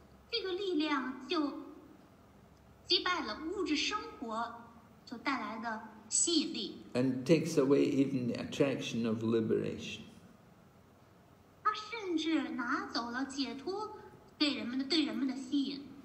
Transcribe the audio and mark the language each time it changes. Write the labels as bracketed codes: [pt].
[zh] 这个力量就击败了物质生活所带来的吸引力 [en] ，and takes away even the attraction of liberation. [zh] 它甚至拿走了解脱对人们的吸引。